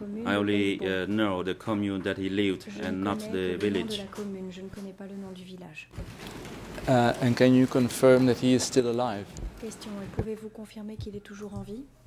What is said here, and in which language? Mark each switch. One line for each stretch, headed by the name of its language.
English: I only know the commune that he lived and not the village.
French: Je ne connais pas le nom du village.
English: And can you confirm that he is still alive?
French: Question, et pouvez-vous confirmer qu'il est toujours en vie?